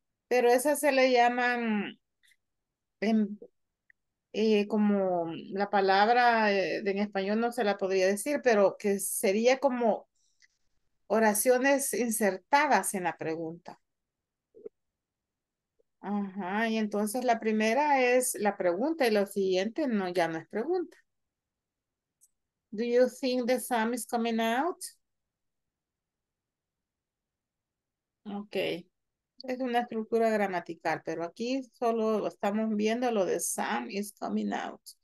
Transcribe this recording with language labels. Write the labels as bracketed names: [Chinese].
[Spanish] Pero esas se le llaman, como la palabra en español no se la podría decir, pero que sería como oraciones insertadas en la pregunta. Ajá, y entonces la primera es la pregunta y lo siguiente no, ya no es pregunta. [English] Do you think the sun is coming out? [Spanish] Ok, es una estructura gramatical, pero aquí solo estamos viendo lo de [English] sun is coming out.